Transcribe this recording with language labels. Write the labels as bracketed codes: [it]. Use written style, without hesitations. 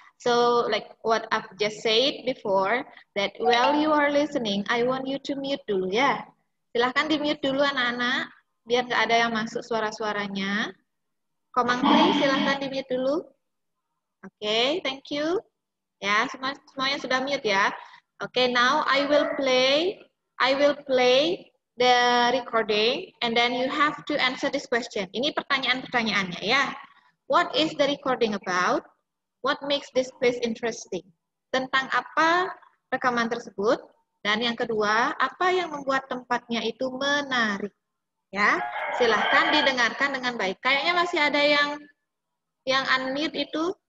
[en] So, like what I've just said before, that while you are listening, I want you to mute [id] dulu, ya. [en] Yeah. [id] Silahkan di-mute dulu anak-anak, biar nggak ada yang masuk suara-suaranya. Komangkring, silahkan di-mute dulu. Oke, [en] okay, thank you. [id] Ya, yeah, semuanya sudah mute, ya. [en] Yeah. Oke, okay, now I will play the recording, and then you have to answer this question. [id] Ini pertanyaan-pertanyaannya, ya. [en] What is the recording about? What makes this place interesting? [id] Tentang apa rekaman tersebut? Dan yang kedua, apa yang membuat tempatnya itu menarik? Ya, silahkan didengarkan dengan baik. Kayaknya masih ada yang unmute itu.